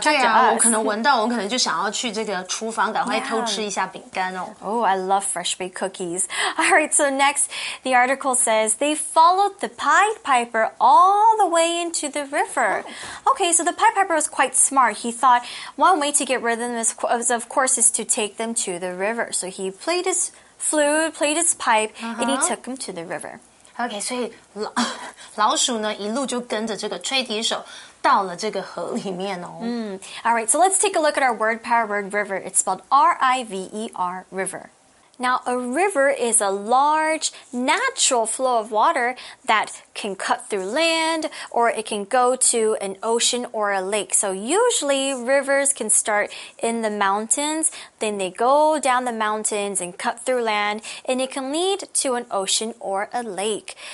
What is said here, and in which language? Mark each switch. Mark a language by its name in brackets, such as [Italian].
[Chinese] 对啊我可能闻到我可能就想要去这个厨房赶快偷吃一下饼干哦、 [English] I love fresh baked cookies alright so next the article says they followed the Pied Piper all the way into the river、okay so the Pied Piper was quite smart he thought one way to get rid of them is of course is to take them to the river so he played his flute played his pipe、and he took them to the river [Chinese] OK, 所以 老鼠呢一路就跟着这个吹笛手到了这个河里面哦。 [English] Alright, so let's take a look at our word power word river. It's spelled R-I-V-E-R, river. Now, a river is a large natural flow of water that can cut through land or it can go to an ocean or a lake. So usually rivers can start in the mountains, then they go down the mountains and cut through land and it can lead to an ocean or a lake.